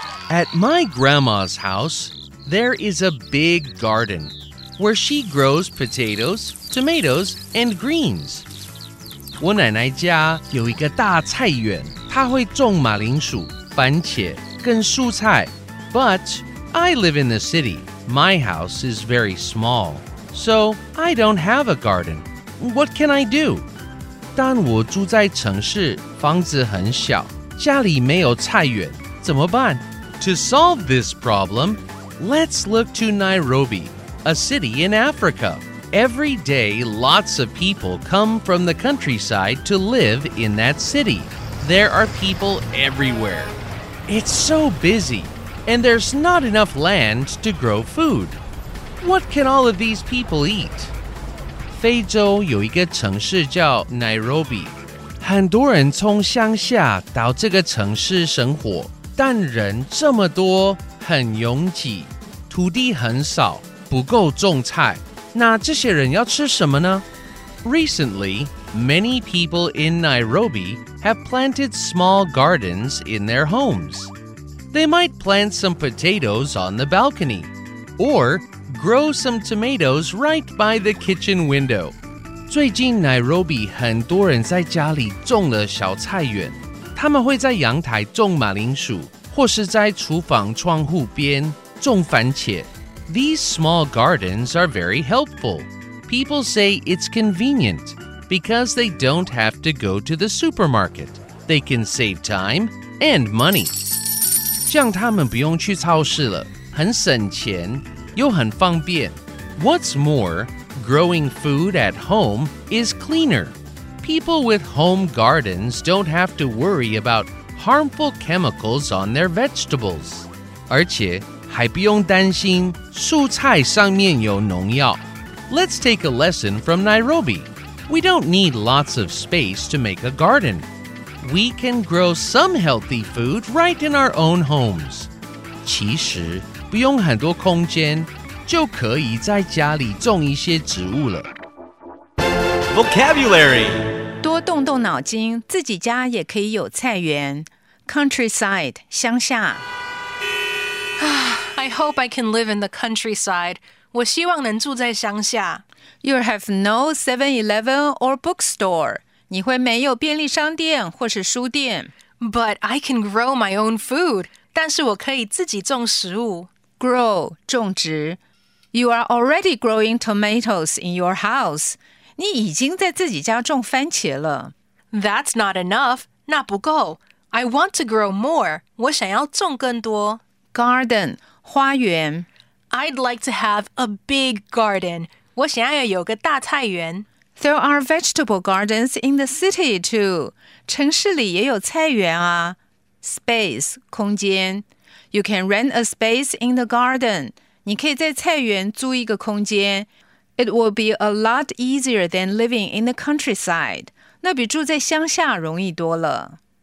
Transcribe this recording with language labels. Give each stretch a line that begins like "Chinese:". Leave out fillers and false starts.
English: At my grandma's house, there is a big garden where she grows potatoes, tomatoes, and greens.
Chinese: 我奶奶家有一个大菜园，她会种马铃薯、番茄跟蔬菜。
English: But I live in the city. My house is very small, so I don't have a garden. What can I do?
Chinese: 但我住在城市，房子很小，家里没有菜园，怎么办？
English: To solve this problem, let's look to Nairobi, a city in Africa. Every day, lots of people come from the countryside to live in that city. There are people everywhere. It's so busy, and there's not enough land to grow food. What can all of these people eat?
Chinese: 非洲有一个城市叫 Nairobi. 很多人从乡下到这个城市生活。但人这么多，很拥挤，土地很少，不够种菜。那这些人要吃什么呢？
English: Recently, many people in Nairobi have planted small gardens in their homes. They might plant some potatoes on the balcony, or grow some tomatoes right by the kitchen window.
Chinese: 最近 Nairobi 很多人在家里种了小菜园。他们会在阳台种马铃薯，或是在厨房窗户边种番茄。
English: These small gardens are very helpful. People say it's convenient because they don't have to go to the supermarket. They can save time and money.
Chinese: 这样他们不用去超市了，很省钱，又很方便。
English: What's more, growing food at home is cleaner. People with home gardens don't have to worry about harmful chemicals on their vegetables.
Chinese: 而且还不用担心蔬菜上面有农药。
English: Let's take a lesson from Nairobi. We don't need lots of space to make a garden. We can grow some healthy food right in our own homes.
Chinese: 其实不用很多空间，就可以在家里种一些植物了。
English: Vocabulary.
Chinese: 多动动脑筋，自己家也可以有菜园。
English: Countryside, 乡下。 I hope I can live in the countryside.
Chinese: 我希望能住在乡下。
English: You have no 7-Eleven or bookstore.
Chinese: 你会没有便利商店或是书店。
English: But I can grow my own food.
Chinese: 但是我可以自己种食物。
English: Grow, 种植。 You are already growing tomatoes in your house.
Chinese: 你已经在自己家种番茄了。
English: That's not enough.
Chinese: 那不够。
English: I want to grow more.
Chinese: 我想要种更多。
English: Garden, 花园。 I'd like to have a big garden.
Chinese: 我想要有个大菜园。
English: There are vegetable gardens in the city, too.
Chinese: 城市里也有菜园啊。Space, 空间。
English: You can rent a space in the garden.
Chinese: 你可以在菜园租一个空间。
English: It will be a lot easier than living in the countryside.
Chinese: 那比住在乡下容易多了。